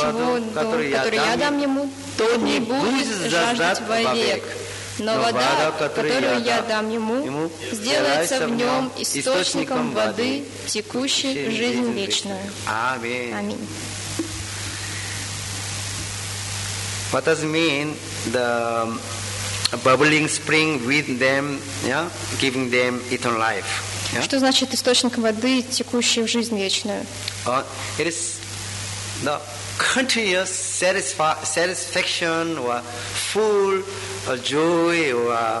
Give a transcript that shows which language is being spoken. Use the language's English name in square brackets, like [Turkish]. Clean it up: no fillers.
[Russian] А кто будет пить воду, которую я дам ему, тот не будет жаждать вовек. Но вода, которую я дам ему, сделается в нем источником воды, текущей в жизнь вечную». Аминь. Аминь. [English] What does mean the bubbling spring with them, yeah, giving them eternal life? Yeah? [Russian] Что значит источник воды, текущей в жизнь вечную? [English] It is the continuous satisfaction or full joy or